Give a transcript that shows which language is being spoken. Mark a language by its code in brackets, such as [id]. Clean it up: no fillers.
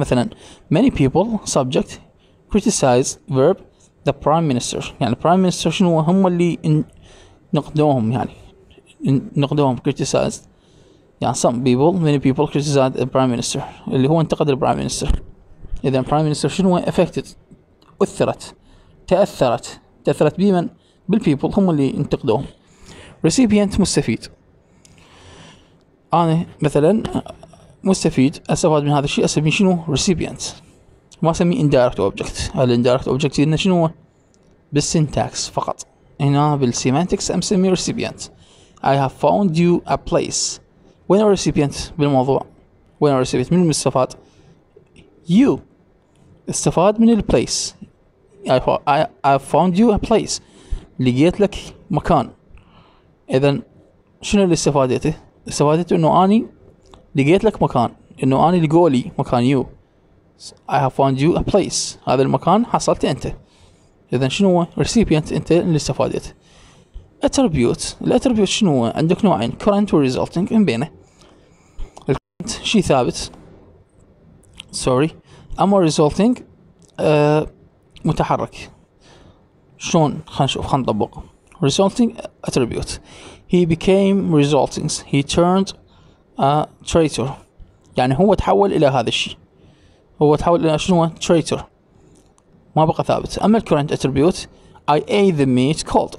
[ar] مثلا [en] many people subject criticize verb the prime minister. [ar] يعني prime minister شنو؟ هم اللي نقدوهم، يعني نقدوهم criticize. يعني [en] some people many people criticize the prime minister [ar] اللي هو انتقد [en] the prime minister. [ar] إذا prime minister شنو؟ affected أثرت تأثرت تأثرت بمن؟ بال people، هم اللي انتقدوهم. recipient مستفيد. أنا مثلا مستفيد أستفاد من هذا الشيء، أسمي شنو؟ recipient. ما أسمي indirect object. هل indirect object إنه شنو؟ بالsyntax فقط. هنا بالsemantics أسمي recipient. [en] I have found you a place. When a recipient [ar] بالموضوع، [en] when a recipient [ar] من المستفاد؟ [en] you [ar] استفاد من [en] place. I found you a place، [ar] لقيت لك مكان. اذا شنو اللي استفادته؟ استفادته انه اني لقيت لك مكان، انه اني لقولي مكان you. [en] I have found you a place، [ar] هذا المكان حصلت انت. اذا شنو هو recipient؟ انت اللي استفادته. attribute، الattribute شنو هو؟ عندك نوعين current و resulting. من بينه شيء ثابت سوري، اما resulting متحرك. شلون؟ خلينا نشوف، خلينا نطبق resulting attribute. [en] he became resulting he turned a traitor. [ar] يعني هو تحول الى هذا الشيء، هو تحول الى شنو؟ traitor. ما بقى ثابت. اما [en] current attribute I ate the meat cold.